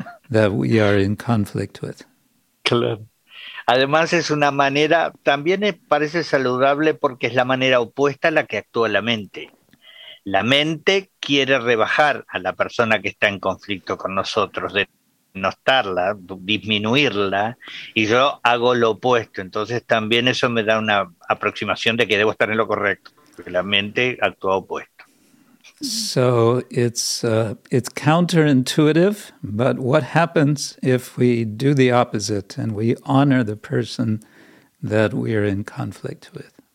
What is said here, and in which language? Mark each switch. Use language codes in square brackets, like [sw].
[en] that we are in conflict with. [es] Claro. Además es una manera, también parece saludable porque es la manera opuesta a la que actúa la mente. La mente quiere rebajar a la persona que está en conflicto con nosotros, denostarla, disminuirla, y yo hago lo opuesto. Entonces también eso me da una aproximación de que debo estar en lo correcto, porque la mente actúa opuesto. [en] So it's counterintuitive, but what happens if we do the opposite and we honor the person that we are in conflict with?